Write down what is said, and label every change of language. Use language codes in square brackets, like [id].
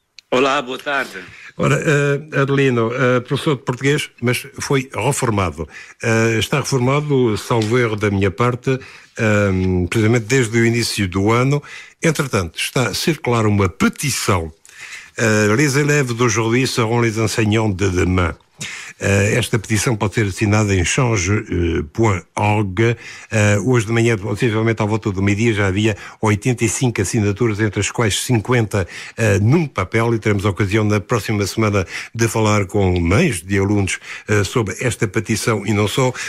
[pt] Olá, boa tarde. Ora, Adelino, professor de português, mas foi reformado. Está reformado, salvo erro da minha parte, precisamente desde o início do ano. Entretanto, está a circular uma petição. [fr] Les élèves d'aujourd'hui seront les enseignants de demain. [pt] Esta petição pode ser assinada em change.org. Hoje de manhã, possivelmente à volta do meio-dia, já havia 85 assinaturas, entre as quais 50 num papel, e teremos a ocasião na próxima semana de falar com mães de alunos sobre esta petição e não só.